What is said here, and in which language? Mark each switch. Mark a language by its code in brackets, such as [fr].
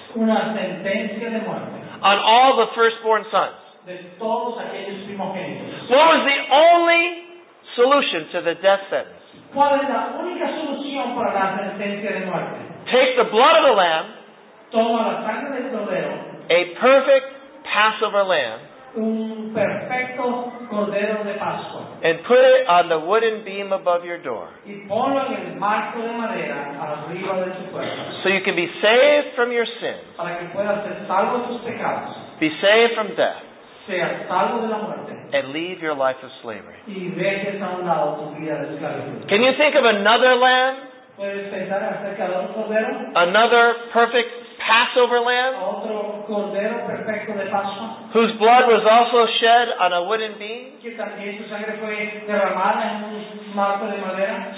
[es] Una sentencia de muerte. [en] On all the firstborn sons. [es] De todos aquellos primogénitos. [en] What was the only solution to the death sentence? [es] ¿Cuál es la única solución para la sentencia de muerte? [en] Take the blood of the lamb. [es] Toma la sangre del cordero. [en] A perfect Passover lamb. [es] Un perfecto cordero de Pascua. [en] And put it on the wooden beam above your door. [es] Y ponlo en el marco de madera arriba de tu puerta. [en] So you can be saved from your sins. [es] Para que puedas ser salvo de tus pecados. [en] Be saved from death. [es] Sea salvo de la muerte. [en] And leave your life of slavery. [es] Y dejes a un lado tu vida de esclavitud. [en] Can you think of another lamb? [es] ¿Puedes pensar acerca de otro cordero? [en] Another perfect Passover lamb, [es] otro cordero perfecto de Pascua, [en] whose blood was also shed on a wooden beam, [es] que también su sangre fue derramada en un marco de madera,